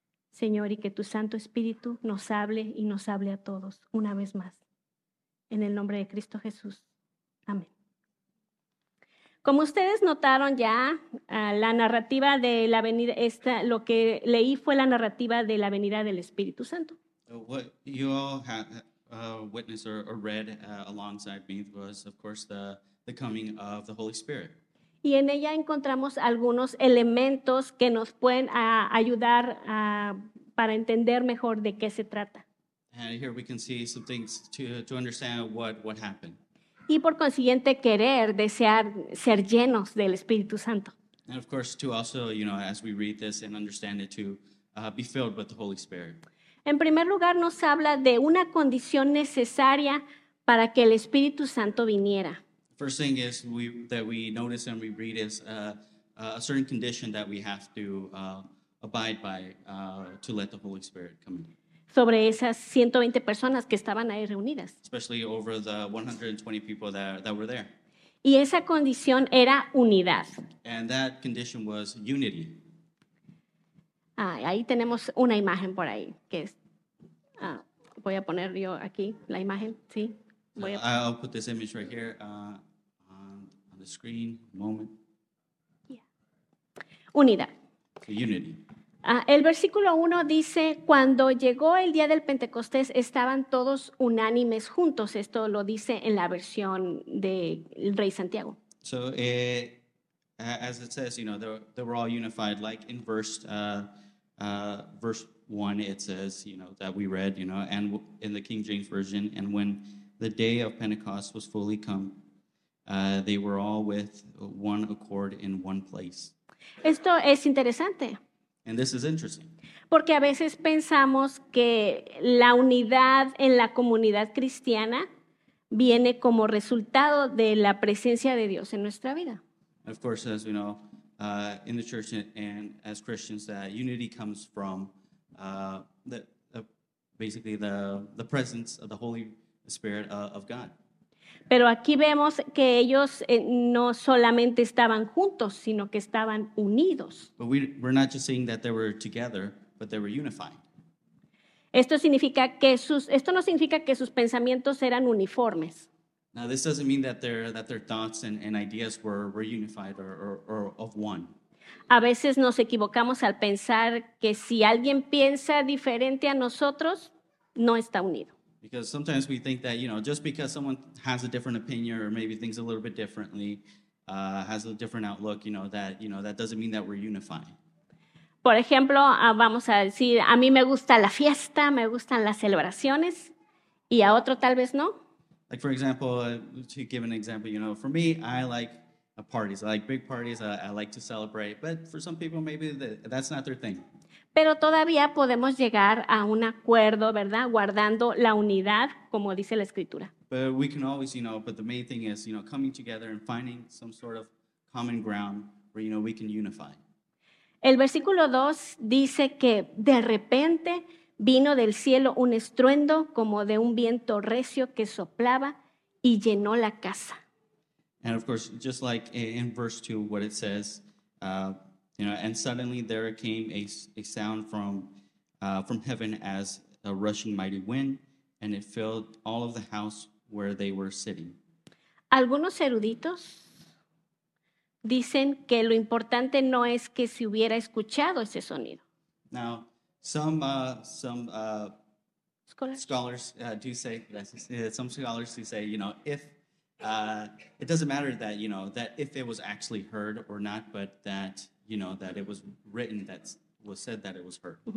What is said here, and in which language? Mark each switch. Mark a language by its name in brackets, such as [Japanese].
[Spanish] Señor, y que tu Santo Espíritu nos hable y nos hable a todos una vez más. En el nombre de Cristo Jesús. Amén. Como ustedes notaron ya, la narrativa de la venida, lo que leí fue la narrativa de la venida del Espíritu Santo. [English] What you all had witnessed or read alongside me was, of course, the coming of the Holy Spirit. [Spanish] Y en ella encontramos algunos elementos que nos pueden ayudar para entender mejor de qué se trata. [English] And here we can see some things to understand what happened. [Spanish] Y por consiguiente querer, desear ser llenos del Espíritu Santo. [English] And of course, to also, you know, as we read this and understand it, to be filled with the Holy Spirit. [Spanish] En primer lugar, nos habla de una condición necesaria para que el Espíritu Santo viniera. [English] First thing is that we notice and we read is a certain condition that we have to abide by to let the Holy Spirit come in. [Spanish] Sobre esas 120 personas que estaban ahí reunidas. [English] Especially over the 120 people that were there. [Spanish] Y esa condición era unidad. [English] And that condition was unity. [Spanish] Ahí tenemos una imagen por ahí. Que es, voy a poner yo aquí la imagen. Sí. [English] I'll put this image right here on the screen. A moment. [Spanish] Yeah. Unidad. [English] So unity. [Spanish] El versículo 1 dice, cuando llegó el día del Pentecostés, estaban todos unánimes juntos. Esto lo dice en la versión del Rey Santiago. [English] So, as it says, you know, they were all unified. Like in verse 1, it says, you know, that we read, you know, and in the King James Version, and when the day of Pentecost was fully come, they were all with one accord in one place. [Spanish] Esto es interesante. [English] And this is interesting. [Spanish] Porque a veces pensamos que la unidad en la comunidad cristiana viene como resultado de la presencia de Dios en nuestra vida. [English] Of course, as we know, in the church and as Christians, that unity comes from the presence of the Holy Spirit of God. [Spanish] Pero aquí vemos que ellos no solamente estaban juntos, sino que estaban unidos. [English] But we're not just saying that they were together, but they were unified. [Spanish] Esto no significa que sus pensamientos eran uniformes. [English] Now, this doesn't mean that their thoughts and ideas were unified or of one. [Spanish] A veces nos equivocamos al pensar que si alguien piensa diferente a nosotros, no está unido. [English] Because sometimes we think that, you know, just because someone has a different opinion or maybe thinks a little bit differently, has a different outlook, that doesn't mean that we're unified. [Spanish] Por ejemplo, vamos a decir, a mí me gusta la fiesta, me gustan las celebraciones, y a otro tal vez no. [English] Like, for example, to give an example, you know, for me, I like parties. I like big parties. I like to celebrate. But for some people, maybe that's not their thing. [Spanish] Pero todavía podemos llegar a un acuerdo, ¿verdad? Guardando la unidad, como dice la Escritura. [English] But we can always, you know, but the main thing is, you know, coming together and finding some sort of common ground where, you know, we can unify. [Spanish] El versículo 2 dice que de repente vino del cielo un estruendo como de un viento recio que soplaba y llenó la casa. [English] And of course, just like in verse 2, what it says, you know, and suddenly there came a sound from heaven as a rushing mighty wind, and it filled all of the house where they were sitting. [Spanish] Algunos eruditos dicen que lo importante no es que se hubiera escuchado ese sonido. [English] Now, some scholars say, you know, if it doesn't matter that, you know, that if it was actually heard or not, but that, you know, that it was written, that was said that it was heard.